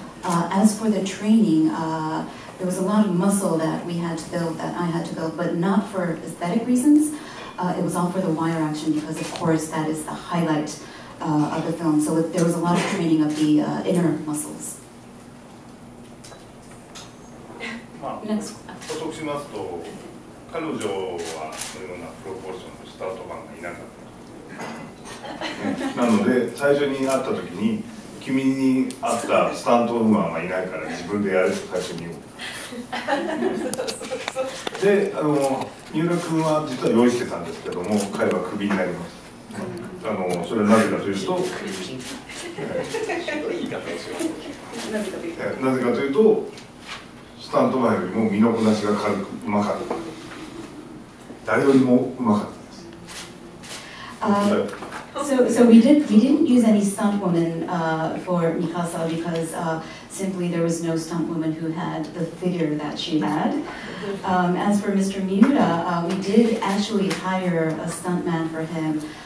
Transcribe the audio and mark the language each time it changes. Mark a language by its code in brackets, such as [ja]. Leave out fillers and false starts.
[en] As for the training, there was a lot of muscle that we had to build, that I had to build, but not for aesthetic reasons. It was all for the wire action, because of course that is the highlight of the film. So there was a lot of training of the inner muscles. [ja] Next. 補足しますと、彼女はそのようなプロポーションのスタートマンがいなかった、ね、なので最初に会った時に、君に会ったスタントマンはいないから自分でやると最初に言う。で、あの三浦君は実は用意してたんですけども、彼はクビになります。あのそれはなぜかというと、なぜかというとスタントマンよりも身のこなしが軽く、うまかった。 [en] So we didn't use any stunt woman for Mikasa, because simply there was no stunt woman who had the figure that she had. As for Mr. Miura, we did actually hire a stuntman for him